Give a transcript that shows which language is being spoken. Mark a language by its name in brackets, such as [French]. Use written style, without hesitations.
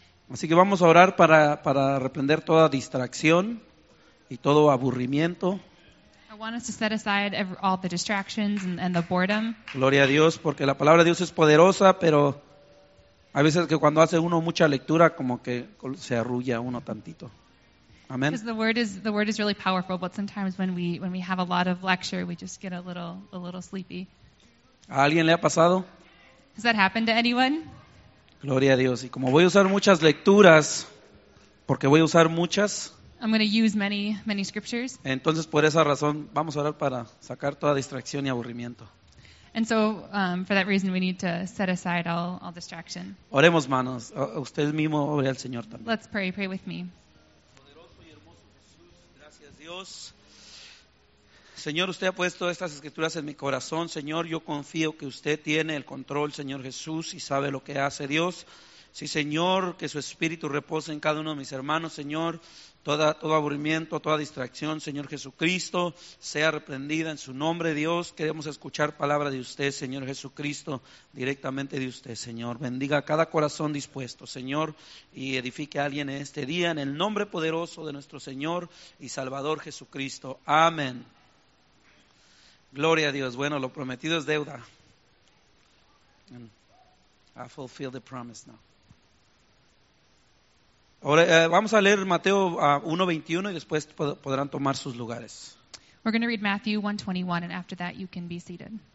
[Spanish] Así que vamos a orar para reprender toda distracción y todo aburrimiento. [English] I want us to set aside all the distractions and the boredom. [Spanish] Gloria a Dios porque la palabra de Dios es poderosa, pero hay veces que cuando hace uno mucha lectura como que se arrulla uno tantito. [English] Amen. Because the word is really powerful, but sometimes when we have a lot of lecture, we just get a little sleepy. [Spanish] ¿A alguien le ha pasado? [English] Has that happened to anyone? [Spanish] Gloria a Dios. Y como voy a usar muchas lecturas, porque voy a usar muchas, [English] I'm going to use many, many scriptures. [Spanish] Entonces por esa razón vamos a orar para sacar toda distracción y aburrimiento. [English] And so for that reason we need to set aside all distraction. [Spanish] Oremos, manos. Usted mismo ore al Señor también. [English] Let's pray. Pray with me. [Spanish] Poderoso y hermoso Jesús, gracias Dios. Señor, usted ha puesto estas escrituras en mi corazón. Señor, yo confío que usted tiene el control, Señor Jesús, y sabe lo que hace Dios. Sí, Señor, que su espíritu repose en cada uno de mis hermanos, Señor. Todo aburrimiento, toda distracción, Señor Jesucristo, sea reprendida en su nombre, Dios. Queremos escuchar palabra de usted, Señor Jesucristo, directamente de usted, Señor. Bendiga cada corazón dispuesto, Señor, y edifique a alguien en este día, en el nombre poderoso de nuestro Señor y Salvador Jesucristo. Amén. Gloria a Dios. Bueno, lo prometido es deuda. [English] I fulfill the promise now. [Spanish] Ahora, vamos a leer Mateo 1:21 y después podrán tomar sus lugares. [English] We're going to read Matthew 1:21 and after that you can be seated.